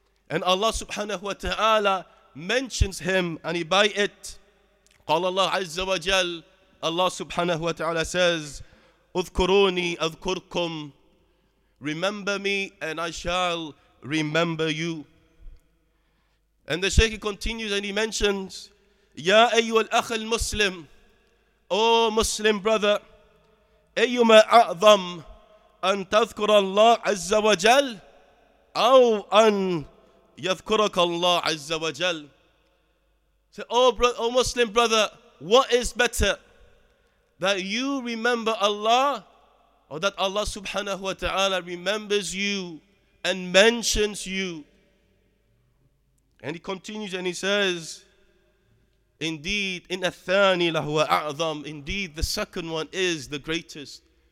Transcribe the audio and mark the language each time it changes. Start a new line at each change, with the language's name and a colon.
English: And Allah Subhanahu wa Ta'ala mentions him and he by it.
Arabic: قال الله عز وجل,
English: Allah Subhanahu wa Ta'ala says,
Arabic: اذكروني اذكركم,
English: remember me and I shall remember you. And the Shaykh continues and he mentions,
Arabic: يا أيها الأخ المسلم,
English: O Muslim brother,
Arabic: أيما أعظم أن تذكر الله عز وجل أو أن يذكرك الله عز وجل.
English: So, O Muslim brother, what is better, that you remember Allah, or that Allah Subhanahu wa Ta'ala remembers you and mentions you? And he continues and he says, indeed, in
Arabic: الثاني لهو أعظم,
English: indeed the second one is the greatest.